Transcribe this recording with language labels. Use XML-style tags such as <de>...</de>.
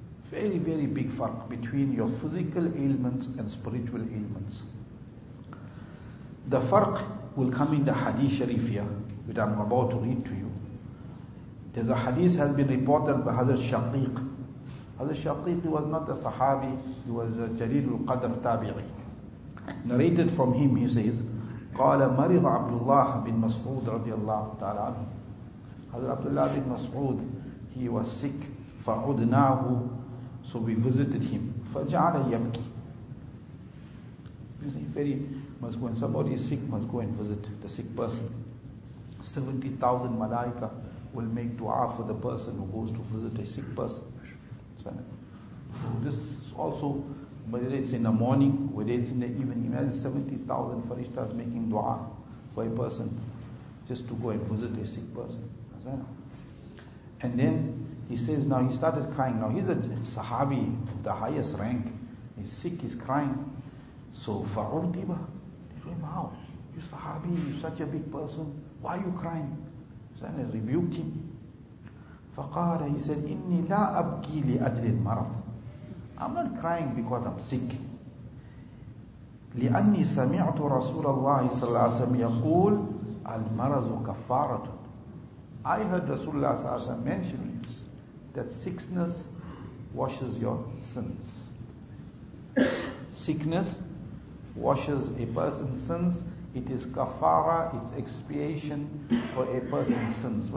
<en>Very, very big farq between your physical ailments and spiritual ailments. The farq will come in the hadith sharif here, which I'm about to read to you. There's a hadith has been reported by Hazrat Shaqiq. Hazrat Shaqiq, he was not a sahabi, he was a Jalil al-Qadr tabi'i.</en> <ar>Narrated from him, he says, قَالَ مَرِضَ عَبْدُ اللَّهِ بِن مَسْعُودِ رَضِيَ اللَّهُ تَعَالَىٰ عَنْهُ.</ar> <en>Hazrat Abdullah bin Mas'ud, he was sick,</en> <ar>فَعُدْنَاهُ.</ar> <en>So we visited him.</en> <ar>فَجَعَلَ يَبْكِ.</ar> <en>He's very, must go, when somebody is sick, must go and visit the sick person. 70,000 malaika will make dua for the person who goes to visit a sick person. So this also, whether it's in the morning, whether it's in the evening, imagine 70,000 farishtas making dua for a person just to go and visit a sick person. And then he says, now he started crying. Now he's a sahabi of the highest rank. He's sick, he's crying. So, fa'urtiba. He told him, how? You sahabi, you're such a big person. Why are you crying? Then he rebuked him.</en> <ar>Faqara,</ar> <en>he said,</en> <ar>inni la abki li ajli al-marad.</ar> <en>I'm not crying because I'm sick.</en> <ar>لأني سمعت رسول الله صلى الله عليه وسلم يقول المرض كفارة.</ar> <en>I heard Rasulullah صلى الله عليه وسلم mentioning that sickness washes your sins. Sickness washes a person's sins. It is kafara, it's expiation for a person's sins.</en>